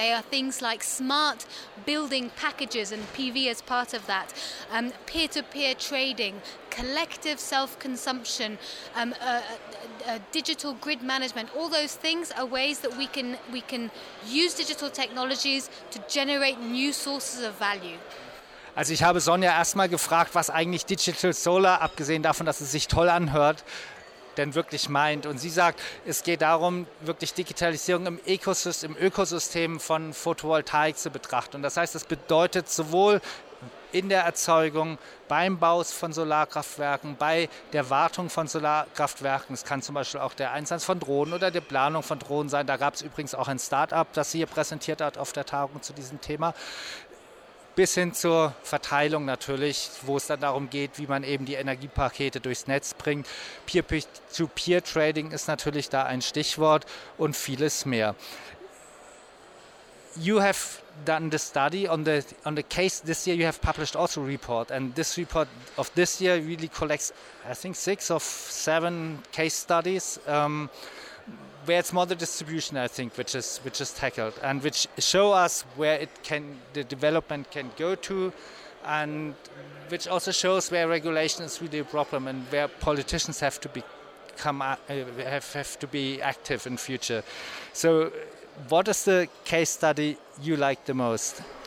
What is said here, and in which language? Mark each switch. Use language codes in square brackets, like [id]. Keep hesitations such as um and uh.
[en] They are things like smart building packages and PV as part of that, um, peer-to-peer trading, collective self-consumption, um, uh, uh, uh, digital grid management. All those things are ways that we can we can use digital technologies to generate new sources of value. [de] Also ich habe Sonja erstmal gefragt, was eigentlich Digital Solar, abgesehen davon, dass es sich toll anhört, denn wirklich meint. Und sie sagt, es geht darum, wirklich Digitalisierung im Ökosystem, im Ökosystem von Photovoltaik zu betrachten. Und das heißt, es bedeutet sowohl in der Erzeugung, beim Bau von Solarkraftwerken, bei der Wartung von Solarkraftwerken. Es kann zum Beispiel auch der Einsatz von Drohnen oder die Planung von Drohnen sein. Da gab es übrigens auch ein Start-up, das sie hier präsentiert hat auf der Tagung zu diesem Thema bis hin zur Verteilung natürlich, wo es dann darum geht, wie man eben die Energiepakete durchs Netz bringt. Peer-to-Peer-Trading ist natürlich da ein Stichwort und vieles mehr. [en] You have done the study on the on the case this year. You have published also report, and this report of this year really collects, I think, six of seven case studies. Um, where it's more the distribution I think which is which is tackled and which show us where it can the development can go to and which also shows where regulation is really a problem and where politicians have to become uh, have, have to be active in future so what is the case study you like the most